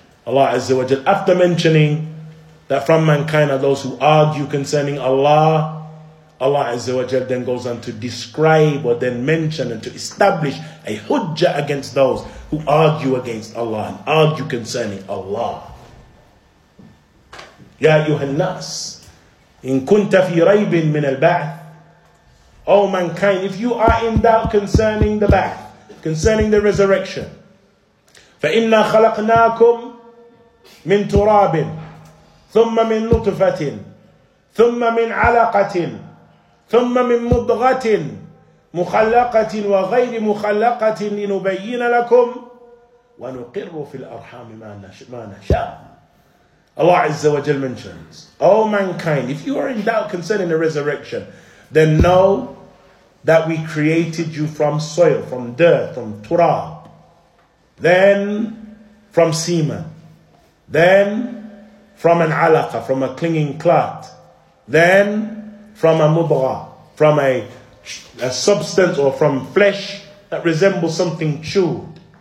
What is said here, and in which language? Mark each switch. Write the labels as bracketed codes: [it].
[en] Allah Azza wa Jal, after mentioning that from mankind are those who argue concerning Allah, Allah Azza wa Jal then goes on to describe or then mention and to establish a hujjah against those who argue against Allah and argue concerning Allah. Ya ayyuhan nas, [ar] إِن كُنْتَ فِي رَيْبٍ مِنَ الْبَعْثِ. [en] O mankind, if you are in doubt concerning the Ba'ath, concerning the resurrection, [ar] فَإِنَّا خَلَقْنَاكُمْ من تراب ثم من نطفة ثم من علقة ثم من مضغة مخلقة وغير مخلقة لنبين لكم ونقر في الأرحام ما نشاء. [en] Allah Azza wa Jal mentions, oh mankind, if you are in doubt concerning the resurrection, then know that we created you from soil, from dirt, from turab, then from semen, then from an alaqa, from a clinging clot, then from a mudgha, from a substance or from flesh that resembles something chewed.